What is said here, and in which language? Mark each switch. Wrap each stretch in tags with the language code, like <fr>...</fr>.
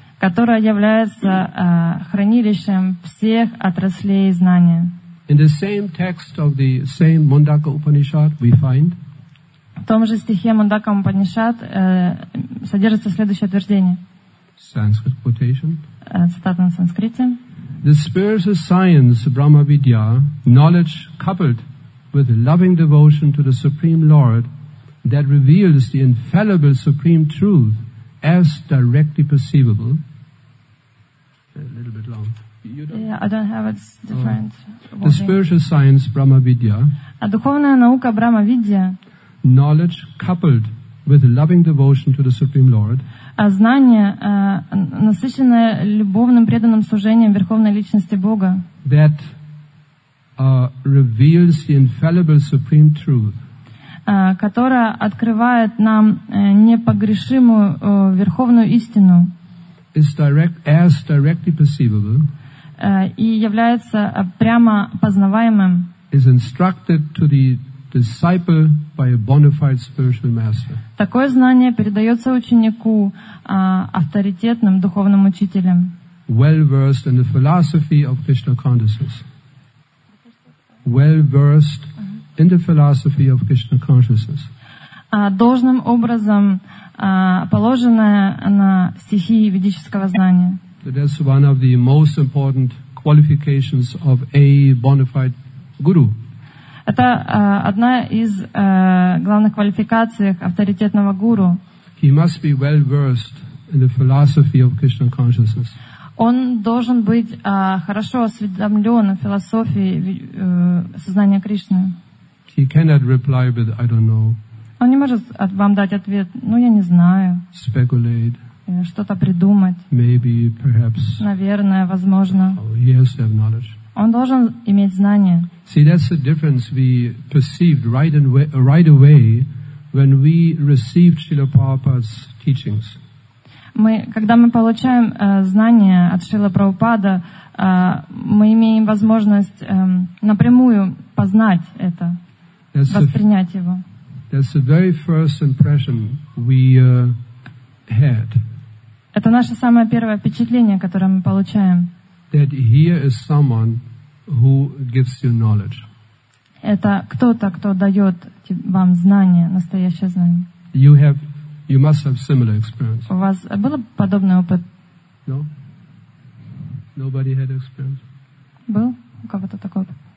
<ru>которая является хранилищем всех отраслей знания.</ru> <en>In the same text of the same Mundaka Upanishad, we find.</en> <ru>В том же стихе Мундака Упанишад содержится следующее утверждение.</ru> <en>Sanskrit quotation.</en> <ru>Цитата на санскрите.</ru> <en>The spiritual science, Brahma Vidya, knowledge coupled with loving devotion to the Supreme Lord, that reveals the infallible supreme truth as directly perceivable. A little bit long. You don't. Yeah, I don't have it. It's different. Oh. The spiritual science, Brahma Vidya.</en> <ru>А духовная наука Брахма Видья.</ru> <en>Knowledge coupled with loving devotion to the Supreme Lord.</en> <ru>А знание, насыщенное любовным преданным служением Верховной Личности Бога.</ru> <en>That reveals the infallible supreme truth.</en> <ru>Которая открывает нам непогрешимую верховную истину.</ru> <en>is direct, as directly perceivable,</en> <ru>и является прямо познаваемым,</ru> <en>is instructed to the disciple by a bona fide spiritual master.</en> <ru>Такое знание передается ученику авторитетным духовным учителем.</ru> <en>Well versed in the philosophy of Krishna consciousness. Well versed in the philosophy of Krishna consciousness.</en> <ru>Должным образом положенное на стихии ведического знания.</ru> <en>That is one of the most important qualifications of a bona fide guru.</en> <ru>Это одна из главных квалификаций авторитетного гуру.</ru> <en>He must be well versed in the philosophy of Krishna consciousness.</en> <ru>Он должен быть хорошо осведомлен о философии сознания Кришны.</ru> <en>He cannot reply with I don't know.</en> <ru>Он не может вам дать ответ. Ну, я не знаю.</ru> <en>Speculate.</en> <ru>Что-то придумать.</ru> <en>Maybe, perhaps.</en> <ru>Наверное, возможно.</ru> <en>Oh, he has to have knowledge.</en> <ru>Он должен иметь знания.</ru> <en>See, that's the difference we perceived right away when we received Srila Prabhupada's teachings.</en> <ru>Когда мы получаем знания от Шрилы Прабхупады, мы имеем возможность напрямую познать это,</ru> <en>that's</en> <ru>воспринять</ru> <en>the,</en> <ru>его.</ru> <en>That's the very first impression we had.</en> <ru>Это наше самое первое впечатление, которое мы получаем.</ru> <en>That here is someone who gives you knowledge.</en> <ru>Это кто-то, кто дает вам знания, настоящее знание.</ru> <en>You must have similar experience.</en> <ru>У вас был подобный опыт?</ru> <en>No. Nobody had experience.</en> <ru>Был у кого-то такой опыт?</ru>